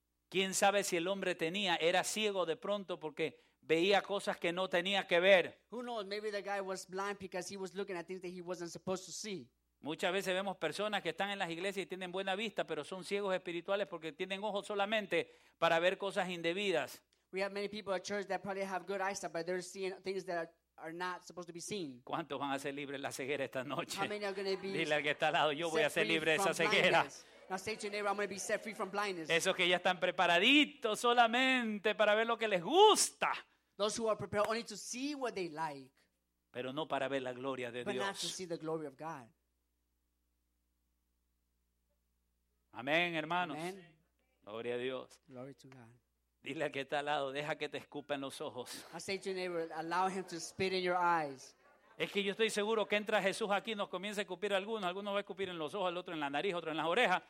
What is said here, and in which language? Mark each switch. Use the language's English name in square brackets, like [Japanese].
[Spanish] ¿Quién sabe si el hombre tenía, era ciego de pronto porque veía cosas que no tenía que ver? [English] Who knows, maybe the guy was blind because he was looking at things that he wasn't supposed to see. [Spanish] Muchas veces vemos personas que están en las iglesias y tienen buena vista, pero son ciegos espirituales porque tienen ojos solamente para ver cosas indebidas. [English] We have many people at church that probably have good eyesight, but they're seeing things that are not supposed to be seen. [Spanish] ¿Cuántos van a ser libres de la ceguera esta noche? [English] How many are going to be? [Spanish] Dile al que está al lado, yo voy a ser libre de esa ceguera. [English] Now say to your neighbor, I'm going to be set free from blindness. [Spanish] Esos que ya están preparaditos solamente para ver lo que les gusta. [English] Those who are prepared only to see what they like. [Spanish] Pero no para ver la gloria de Dios. [English] But not to see the glory of God. [Spanish] Amén, hermanos. Amen. Gloria a Dios. [English] Glory to God. [Spanish] Dile al que está al lado, deja que te escupa en los ojos. [English] I say to your neighbor, allow him to spit in your eyes. [Spanish] Es que yo estoy seguro que entra Jesús aquí y nos comienza a escupir a algunos. Algunos va a escupir en los ojos, el otro en la nariz, otro en las orejas.